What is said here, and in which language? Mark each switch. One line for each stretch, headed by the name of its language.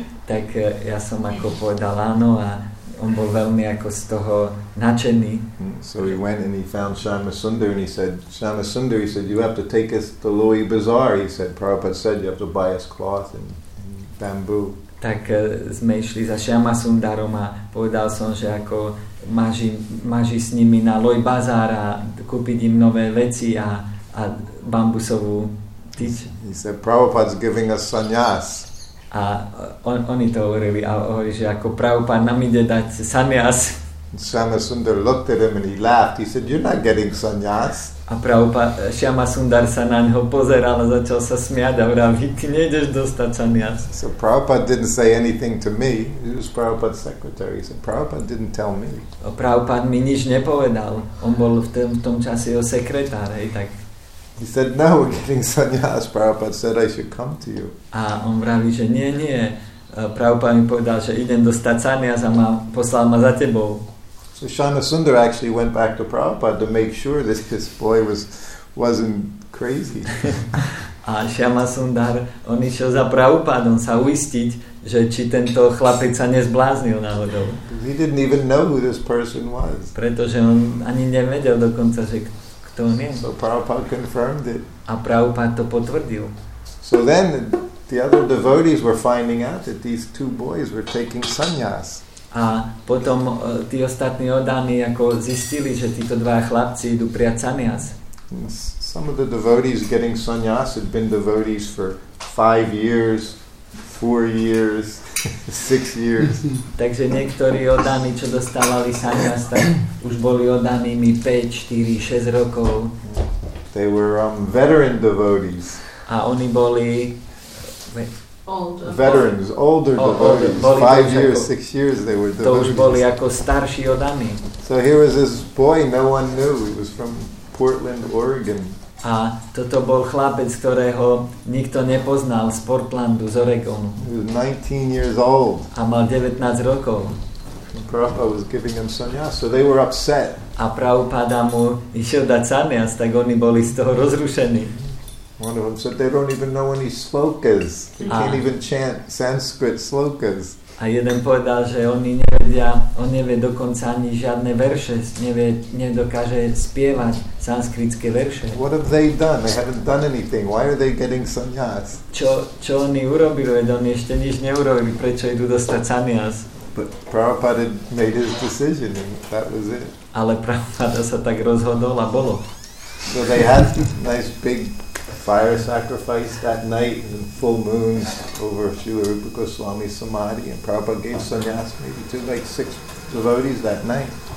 Slovak: Tak ja som ako povedal áno a on bol veľmi ako z toho nadšený.
English: So he went and he found Shyama Sundar and he said, Shyama Sundar, he said, you have to take us to Lohi Bazaar. He said, Prabhupada said, you have to buy us cloth and bamboo.
Slovak: Tak sme išli za Shyama Sundarom a povedal som, že ako máži s nimi na Lohi Bazaar a kúpiť im nové veci a bambusovú.
English: He said, Prabhupada's giving us sannyas.
Slovak: A oni to hovorili, a hovorili, že ako Prabhupada nám ide dať sannyas.
English: Shyama Sundar looked at him and he laughed. He said, you're not getting sannyas.
Slovak: A Prabhupada, Shyama Sundar sa na neho pozeral a začal sa smiať a vraví, ty nejdeš dostať sannyas.
English: So Prabhupada didn't say anything to me. He was Prabhupada's secretary. He said, Prabhupada didn't tell me.
Slovak: A Prabhupada mi nič nepovedal. On bol v tom čase jeho sekretár, hej, tak.
English: He said, "No, we're getting sannyas." Prabhupada said, "I should come to you."
Slovak: A on vraví, že nie, nie. Prabhupada mi povedal, že idem dostať sannyas a poslal ma za tebou.
English: So Shyama Sundar actually went back to Prabhupada to make sure that this boy wasn't crazy.
Slovak: A Shyama Sundar, on išiel za Prabhupadom sa uistiť, že či tento chlapec sa nezbláznil náhodou.
English: He didn't even know who this person was.
Slovak: Pretože on ani nevedel dokonca, že to nie.
English: So Prabhupada confirmed it.
Slovak: A Prabhupada to potvrdil.
English: So then the other devotees were finding out that these two boys were taking sannyas.
Slovak: A potom tí ostatní oddaní ako zistili, že títo dva chlapci idú prijať sannyas.
English: Some of the devotees getting sannyas had been devotees for 5 years, 4 years, 6 years.
Slovak: Takže niektorí oddaní, čo dostávali sannyas, tak už boli oddanými 5, 4, 6 rokov.
English: They were veteran devotees.
Slovak: A oni boli
English: older devotees. 5 years, 6 years they were devotees.
Slovak: To už boli ako starší oddaní.
English: So here was this boy no one knew. He was from Portland, Oregon.
Slovak: A toto bol chlapec, ktorého nikto nepoznal z Portlandu, z Oregonu.
English: He was 19 years old.
Slovak: A mal 19 rokov.
English: Prabhupada was giving him sannyas, so they were upset.
Slovak: A Prabhupada mu išiel dať sannyas, tak oni boli z toho rozrušení.
English: One of them said, they don't even know any slokas. Can't even chant Sanskrit slokas.
Slovak: A jeden povedal, že on nevie dokonca ani žiadne verše, nedokáže spievať sanskritské verše.
English: What have they done? They haven't done anything. Why are they getting sannyas?
Slovak: Čo oni urobili, veď oni ešte nič neurobili, prečo idú dostať sannyas?
English: But Prabhupada had made his decision and that was it.
Slovak: Ale Prabhupada sa tak rozhodol a bolo.
English: So they had this nice big fire sacrifice that night and full moon over Srila Rupa Goswami's samadhi and Prabhupada gave sannyas maybe to like 6 devotees that night.